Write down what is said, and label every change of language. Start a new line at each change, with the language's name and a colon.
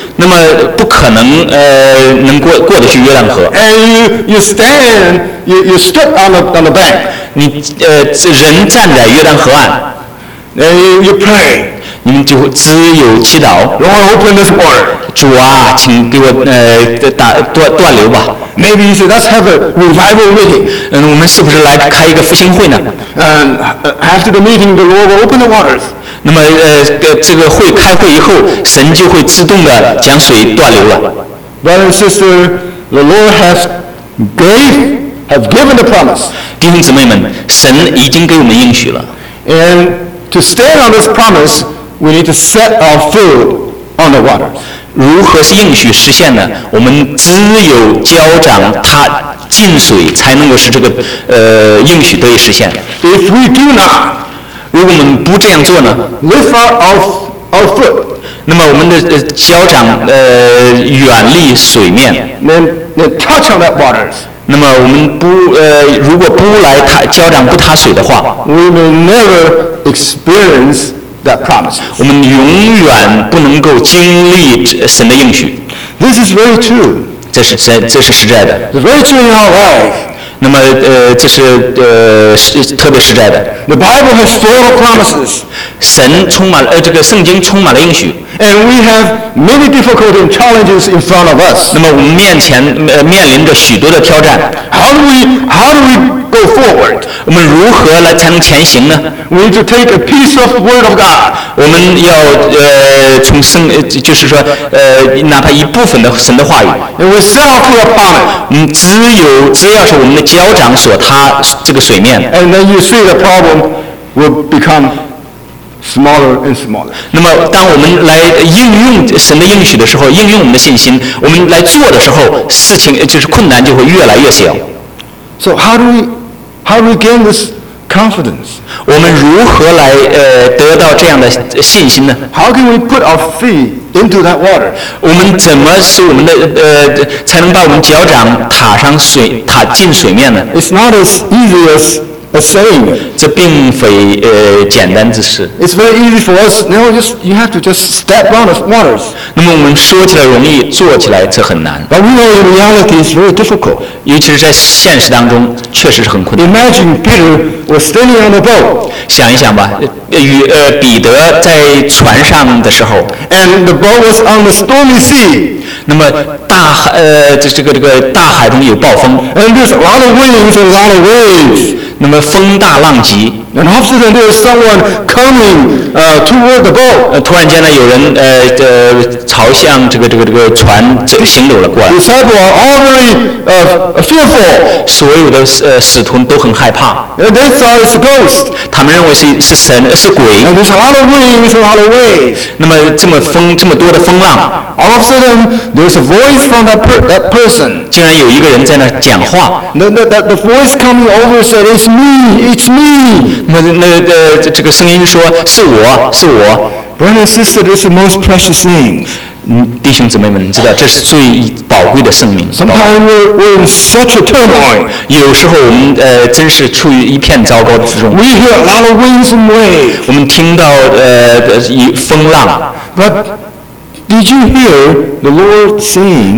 Chinese: 那么不可能能过得去约旦河。
English: And you stood on the bank，
Chinese: 你人站在约旦河岸
English: ，and you pray，
Chinese: 你们就只有祈祷
English: ，Lord open this water。
Chinese: 主啊，请给我断流吧。
English: Maybe you say let's have a revival meeting。
Chinese: 我们是不是来开一个复兴会呢？
English: After the meeting, the Lord will open the waters。
Chinese: 那么这个会开会以后，神就会自动的将水断流了。
English: Brother and sister, the Lord has given the promise。
Chinese: 弟兄姊妹们，神已经给我们应许了。
English: And to stand on this promise, we need to set our foot on the water。
Chinese: 如何是应许实现呢？我们只有脚掌踏进水，才能够使这个应许得以实现。
English: If we do not，
Chinese: 如果我们不这样做呢
English: ？Lift our foot，
Chinese: 那么我们的脚掌远离水面。
English: Then touch on that water。
Chinese: 那么我们不如果不来踏脚掌不踏水的话
English: ，We may never experience。 That promise，
Chinese: 我们永远不能够经历神的应许。
English: This is very true，
Chinese: 这是实在的。
English: It's very true in our life，
Chinese: 那么这是特别实在的。
English: The Bible has full of promises，
Chinese: 神充满了这个圣经充满了应许。
English: And we have many difficult and challenges in front of us，
Chinese: 那么我们面临着许多的挑战。
English: How do we go forward?
Chinese: 我们如何来才能前行呢？
English: We need to take a piece of word of God.
Chinese: 我们要从圣，就是说哪怕一部分的神的话语。
English: And we set off your bonnet.
Chinese: 只要是我们的脚掌所踏这个水面。
English: And then you see the problem will become smaller and smaller.
Chinese: 那么当我们来应用神的应许的时候，应用我们的信心，我们来做的时候，事情就是困难就会越来越小。
English: So how do we gain this confidence?
Chinese: 我们如何来得到这样的信心呢？
English: How can we put our feet into that water?
Chinese: 我们怎么使我们的才能把我们脚掌踏进水面呢？
English: It's not as easy as a saying.
Chinese: 这并非简单之事。
English: It's very easy for us. You have to just step on the waters.
Chinese: 那么我们说起来容易，做起来这很难。
English: But we know reality is very difficult.
Chinese: 尤其是在现实当中，确实是很困难。
English: Imagine Peter was standing on the boat.
Chinese: 想一想吧，彼得在船上的时候。
English: And the boat was on the stormy sea.
Chinese: 那么大海中有暴风。
English: And there's a lot of winds and a lot of waves.
Chinese: 那么风大浪急
English: ，and all of a sudden there is someone coming toward the boat.
Chinese: 突然间呢，有人朝向这个船行走了过来。
English: Disciples are all very fearful.
Chinese: 所有的使徒都很害怕。
English: And they thought it's a ghost.
Chinese: 他们认为是神是鬼。
English: And there's a lot of wind, there's a lot of waves.
Chinese: 那么这么多的风浪
English: ，all of a sudden there's a voice from that person.
Chinese: 竟然有一个人在那讲话。
English: The voice coming over said. It's me. It's me.
Chinese: 那这个声音说是我是我。
English: Brother and sister, this is the most precious thing.
Chinese: 弟兄姊妹们，你知道这是最宝贵的圣名。
English: Sometimes we're in such a turmoil.
Chinese: 有时候我们真是处于一片糟糕之中。
English: We hear a lot of winds and waves.
Chinese: 我们听到风浪。
English: But did you hear the Lord saying?